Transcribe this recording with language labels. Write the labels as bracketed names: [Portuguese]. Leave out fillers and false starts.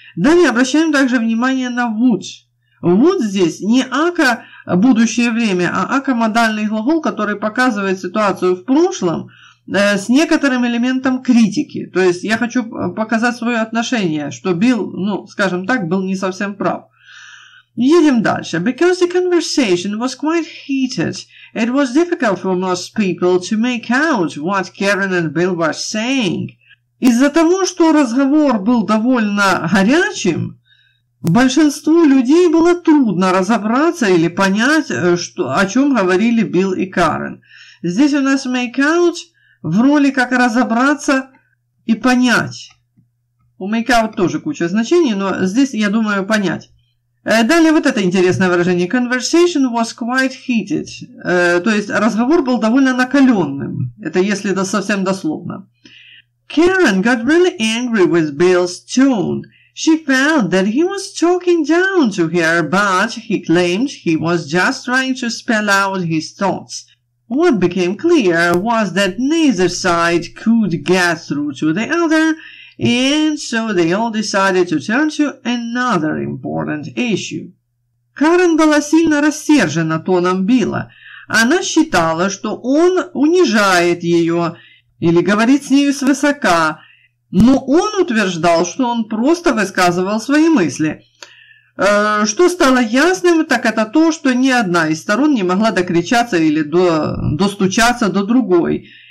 [Russian] Далее обращаем также внимание на would. Would здесь не ака будущее время, а ака модальный глагол, который показывает ситуацию в прошлом, с некоторым элементом критики. То есть я хочу показать свое отношение, что Билл, ну, скажем так, был не совсем прав. Едем дальше. [English] Because the conversation was quite heated, it was difficult for most people to make out what Karen and Bill were saying. [Russian] Из-за того, что разговор был довольно горячим, большинству людей было трудно разобраться или понять, что, о чем говорили Билл и Карен. Здесь у нас make out в роли как разобраться и понять. У make out тоже куча значений, но здесь, я думаю, понять. Далее вот это интересное выражение. [English] Conversation was quite heated. [Russian] То есть разговор был довольно накаленным. Это если это совсем дословно. [English] Karen got really angry with Bill's tone. She felt that he was talking down to her, but he claimed he was just trying to spell out his thoughts. What became clear was that neither side could get through to the other, and so they all decided to turn to another important issue. [Russian] Карен была сильно рассержена тоном Билла. Она считала, что он унижает ее или говорит с нею свысока, но он утверждал, что он просто высказывал свои мысли. Что стало ясным, так это то, что ни одна из сторон не могла докричаться или достучаться до другой.